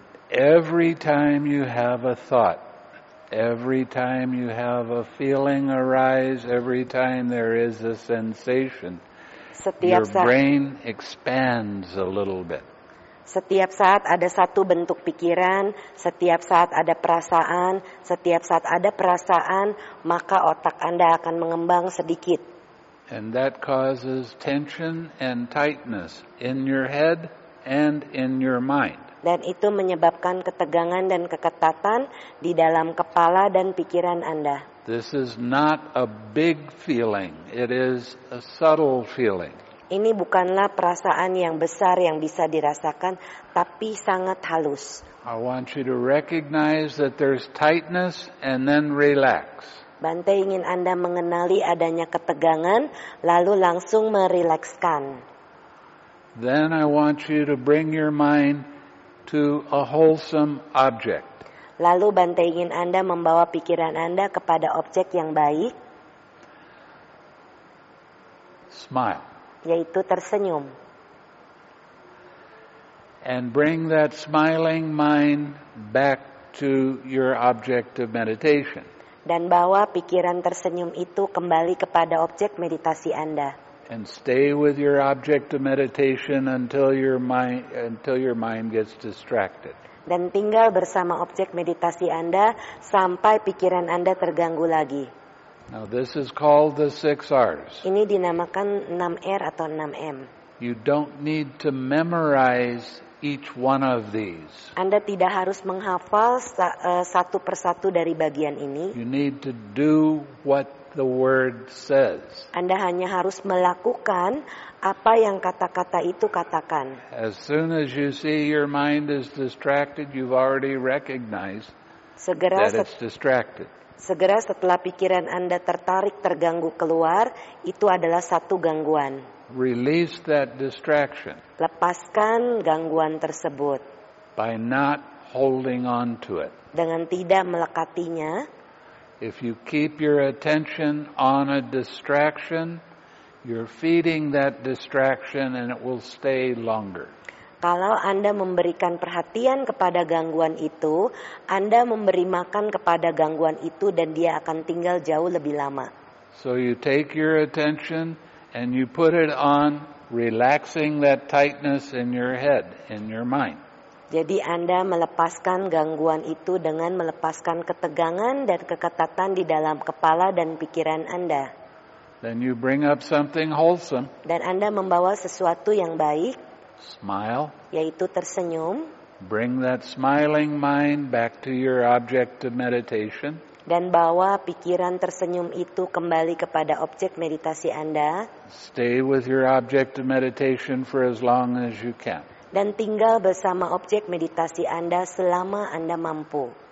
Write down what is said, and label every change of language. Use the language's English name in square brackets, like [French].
[English] Every time you have a thought, every time you have a feeling arise, every time there is a sensation, [Indonesian] setiap [English] your brain expands a little bit. [Indonesian] Setiap saat ada satu bentuk pikiran, setiap saat ada perasaan, setiap saat ada perasaan, maka otak Anda akan mengembang sedikit. [English] And that causes tension and tightness in your head and in your mind. [Indonesian] Dan itu menyebabkan ketegangan dan keketatan di dalam kepala dan pikiran Anda. [English] This is not a big feeling. It is a subtle feeling. [Indonesian] Ini bukanlah perasaan yang besar yang bisa dirasakan, tapi sangat halus. [English] I want you to recognize that there's tightness and then relax. [Indonesian] Bante ingin Anda mengenali adanya ketegangan, lalu langsung merilekskan. [English] Then I want you to bring your mind to a wholesome object. [Indonesian] Lalu Bante ingin Anda membawa pikiran Anda kepada objek yang baik. [English] Smile. [Indonesian] Yaitu tersenyum. [English] And bring that smiling mind back to your object of meditation. [Indonesian] Dan bawa pikiran tersenyum itu kembali kepada objek meditasi Anda. [English] And stay with your object of meditation until your mind gets distracted. [Indonesian] Dan tinggal bersama objek meditasi Anda sampai pikiran Anda terganggu lagi. [English] Now this is called the six R's. [Indonesian] Ini dinamakan 6 R atau 6 M. [English] You don't need to memorize each one of these. [Indonesian] Anda tidak harus menghafal satu persatu dari bagian ini. [English] You need to do what the word says. [Indonesian] Anda hanya harus melakukan apa yang kata-kata itu katakan. [English] As soon as you see your mind is distracted, you've already recognized that it's distracted. [Indonesian] Segera setelah pikiran Anda tertarik, terganggu keluar, itu adalah satu gangguan. [English] Release that distraction. [Indonesian] Lepaskan gangguan tersebut. [English] By not holding on to it. [Indonesian] Dengan tidak melekatinya. [English] If you keep your attention on a distraction, you're feeding that distraction and it will stay longer. [Indonesian] Kalau Anda memberikan perhatian kepada gangguan itu, Anda memberi makan kepada gangguan itu dan dia akan tinggal jauh lebih lama. [English] So you take your attention and you put it on relaxing that tightness in your head, in your mind. [Indonesian] Jadi Anda melepaskan gangguan itu dengan melepaskan ketegangan dan keketatan di dalam kepala dan pikiran Anda. [English] Then you bring up something wholesome. [Indonesian] Dan Anda membawa sesuatu yang baik. [English] Smile. [Indonesian] Yaitu tersenyum. [English] Bring that smiling mind back to your object of meditation. [Indonesian] Dan bawa pikiran tersenyum itu kembali kepada objek meditasi Anda. [English] Stay with your object of meditation for as long as you can. [Indonesian] Dan tinggal bersama objek meditasi Anda selama Anda mampu.